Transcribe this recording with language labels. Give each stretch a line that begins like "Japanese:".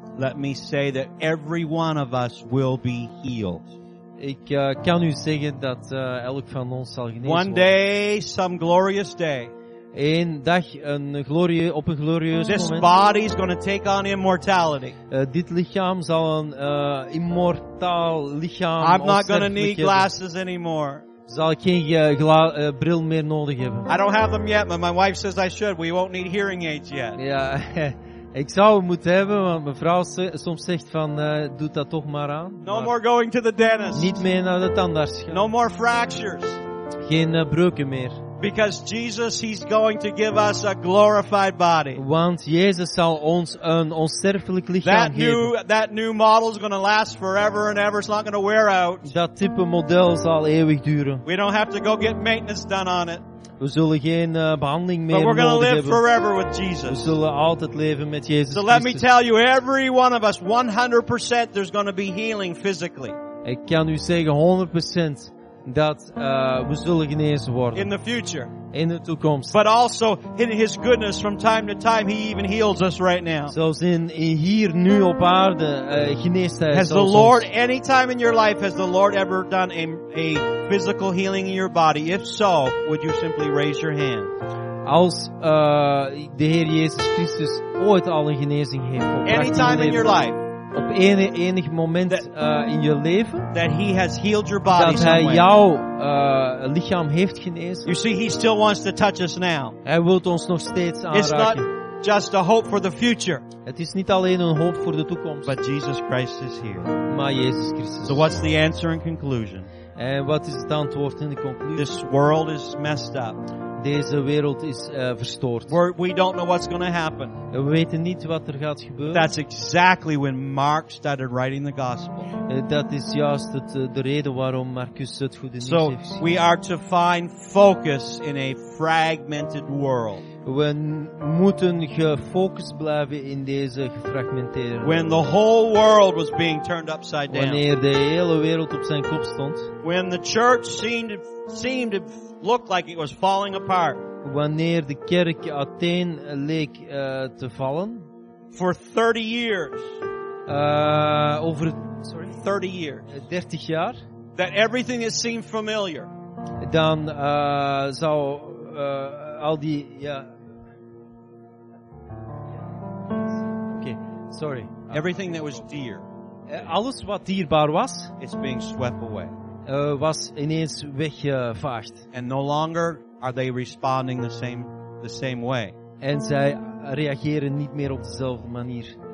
English: Let me say that every one of us will be healed.
Dutch: Ik kan u zeggen dat elk van ons zal genezen worden.
English: One day, some glorious day.
Dutch: Eén dag, op een glorieus
English: this
Dutch: moment.
English: This body is going to take on immortality.
Dutch: Dit lichaam zal een immortaal lichaam.
English: I'm not going to need glasses anymore.
Dutch: Zal ik geen bril meer nodig hebben.
English: I don't have them yet, but my wife says I should. We won't need hearing aids yet.
Dutch: Ja, ik zou het moeten hebben, want mijn vrouw soms zegt van, doe dat toch maar aan.
English: No
Dutch: maar
English: more going to the dentist.
Dutch: Niet meer naar de tandarts gaan.
English: No more fractures.
Dutch: Geen breuken meer.
English: Because Jesus, he's going to give us a glorified body.
Dutch: Want Jezus zal ons een onsterfelijk lichaam
English: that
Dutch: geven.
English: That new model is going to last forever and ever. It's not going to wear out.
Dutch: Dat type model zal eeuwig duren.
English: We don't have to go get maintenance done on it.
Dutch: We zullen geen behandeling meer nodig
English: But we're going to live forever with Jesus.
Dutch: We zullen altijd leven met Jezus.
English: So let me tell you, every one of us, 100% there's going to be healing physically.
Dutch: Ik kan u zeggen, 100% dat we zullen genezen worden.
English: In the future.
Dutch: In de toekomst.
English: But also in his goodness, from time to time, he even heals us right now.
Dutch: Zoals in hier nu op aarde geneest hij.
English: Has the Lord any time in your life? Has the Lord ever done a physical healing in your body? If so, would you simply raise your hand?
Dutch: Als de Heer Jezus Christus ooit al een genezing heeft.
English: Any time in your life.
Dutch: Op enig moment in je leven.
English: That he has healed your body.
Dutch: Dat hij jouw lichaam heeft genezen.
English: You see, he still wants to touch us now.
Dutch: Hij wilt ons nog steeds aanraken.
English: It's not just a hope for the future.
Dutch: Het is niet alleen een hoop voor de toekomst.
English: But Jesus Christ is here.
Dutch: Maar Jezus Christus.
English: So what's the answer and conclusion?
Dutch: En wat is het antwoord in de conclusie?
English: This world is messed up.
Dutch: Deze wereld is verstoord.
English: We don't know what's going to happen.
Dutch: We weten niet wat er gaat gebeuren.
English: That's exactly when Mark started writing the gospel.
Dutch: Dat is juist de reden waarom Marcus het goede nieuws
English: so
Dutch: heeft gezien.
English: So we are to find focus in a fragmented world.
Dutch: We moeten gefocust blijven in deze gefragmenteerde wereld.
English: When the whole world was being turned upside down.
Dutch: Wanneer de hele wereld op zijn kop stond.
English: When the church seemed to looked like it was falling apart.
Dutch: Wanneer de kerk uiteen leek te vallen.
English: For 30 years.
Dutch: Over
English: 30 years.
Dutch: 30 jaar.
English: That everything has seemed familiar.
Dutch: Dan zou al die yeah.
English: Okay, sorry. Everything that was dear.
Dutch: Alles wat dierbaar was.
English: It's being swept away.
Dutch: Was ineens weggevaagd.
English: And no longer are they responding the same way.
Dutch: En zij reageren niet meer op dezelfde manier.